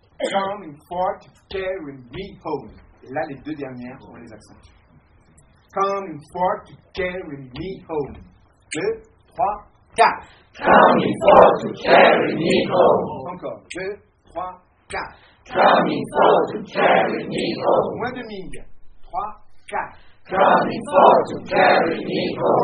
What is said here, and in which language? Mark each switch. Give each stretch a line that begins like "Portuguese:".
English: Coming for to carry me home.
French: Et là, les deux dernières, on les accentue.
English: Coming for to carry me home. 2, 3, 4. Coming for to carry me home.
French: Encore. 2, 3, 4.
English: Coming for to carry me home.
French: Moins de ming. 3, 4.
English: Coming for to carry me home.